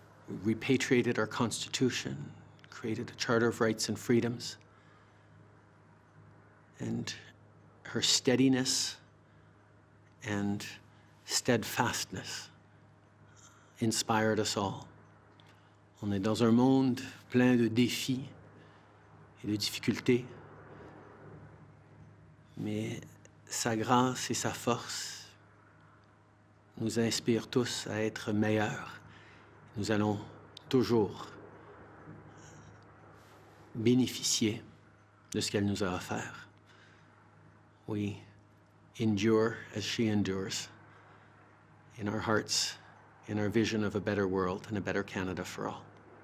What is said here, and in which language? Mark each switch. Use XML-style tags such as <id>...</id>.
<en>We repatriated our constitution, created a charter of rights and freedoms. And her steadiness and steadfastness inspired us all.</en> <fr>On est dans un monde plein de défis et de difficultés, mais sa grâce et sa force nous inspirent tous à être meilleurs. Nous allons toujours bénéficier de ce qu'elle nous a offert.</fr> <en>We endure as she endures in our hearts, in our vision of a better world and a better Canada for all.</en>